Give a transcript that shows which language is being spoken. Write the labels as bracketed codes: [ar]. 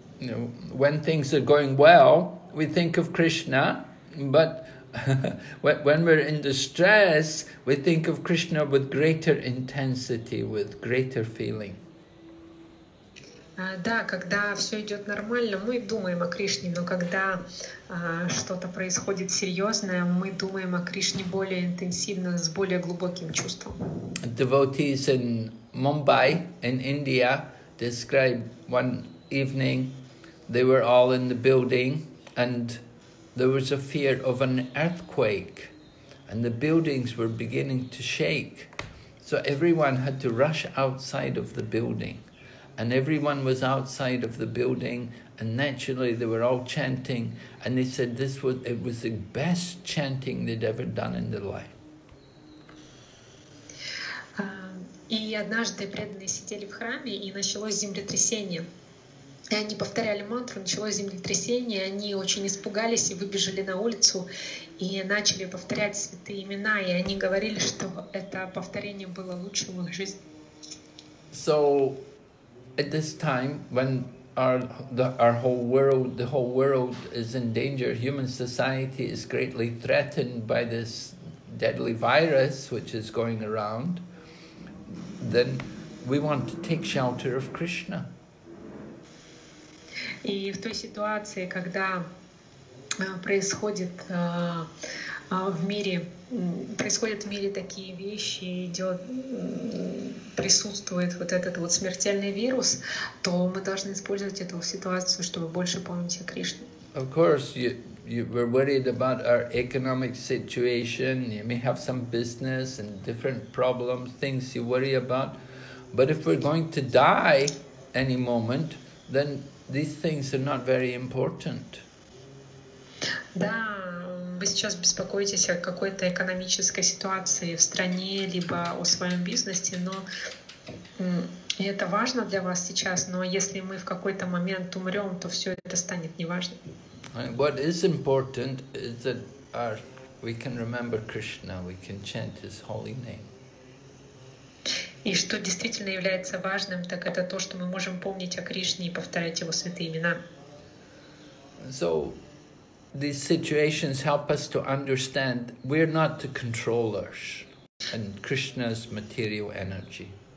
[en] When things are going well, we think of Krishna, but when we're in distress, we think of Krishna with greater intensity, with greater feeling. [ru] Да, когда все идет нормально, мы думаем о Кришне, но когда что-то происходит серьезное, мы думаем о Кришне более интенсивно, с более глубоким чувством. [en] Devotees in Mumbai, in India, described one evening, they were all in the building and there was a fear of an earthquake, and the buildings were beginning to shake. So everyone had to rush outside of the building. And everyone was outside of the building, and naturally they were all chanting. And they said it was the best chanting they'd ever done in their life. [ru] И однажды преданные сидели в храме, и началось землетрясение. И они повторяли мантру, началось землетрясение, они очень испугались и выбежали на улицу и начали повторять святые имена, и они говорили, что это повторение было лучше в их жизни. [en] So, at this time, when the whole world is in danger, human society is greatly threatened by this deadly virus which is going around, then we want to take shelter of Krishna. [ru] И в той ситуации, когда происходит в мире, происходят в мире такие вещи, идет, присутствует вот этот вот смертельный вирус, то мы должны использовать эту ситуацию, чтобы больше помнить о Кришне. [en] Of course, you were worried about our economic situation, you may have some business and different problems, things you worry about, but if we're going to die any moment, then these things are not very important. [ru] Да, вы сейчас беспокоитесь о какой-то экономической ситуации в стране, либо о своем бизнесе, но это важно для вас сейчас, но если мы в какой-то момент умрем, то все это станет неважным. [en] What is important is that we can remember Krishna, we can chant his holy name. [ru] И что действительно является важным, так это то, что мы можем помнить о Кришне и повторять его святые имена. [en] So these situations help us to understand we're not the controllers in Krishna's material energy.